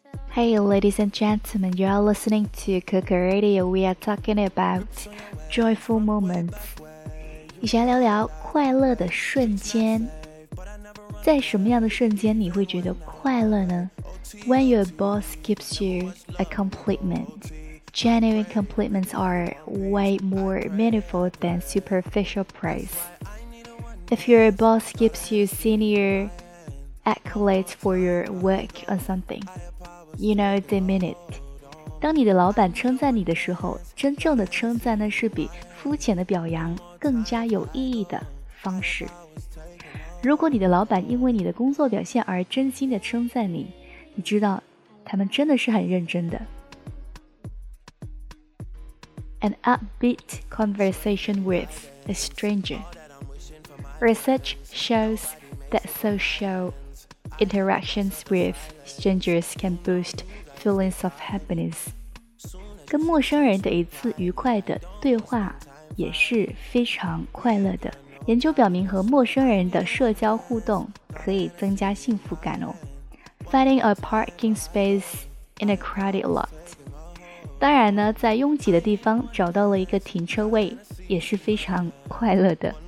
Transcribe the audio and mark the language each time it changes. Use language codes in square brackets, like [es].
[en] Hey ladies and gentlemen, you are listening to Coco Radio. We are talking about joyful moments. [zh] 一起来聊聊快乐的瞬间。在什么样的瞬间你会觉得快乐呢？ [en] When your boss gives you a compliment. Genuine compliments are way more meaningful than superficial praise. If your boss gives you senior accolades for your work on something,You know, the minute. [zh] 当你的老板称赞你的时候，真正的称赞呢是比肤浅的表扬更加有意义的方式。如果你的老板因为你的工作表现而真心的称赞你，你知道他们真的是很认真的。 [en] An upbeat conversation with a stranger. Research shows that social interactions with strangers can boost feelings of happiness. [zh] 跟陌生人的一次愉快的对话也是非常快乐的。研究表明和陌生人的社交互动可以增加幸福感哦。 [en] Finding a parking space in a crowded lot. [zh] 当然呢，在拥挤的地方找到了一个停车位也是非常快乐的。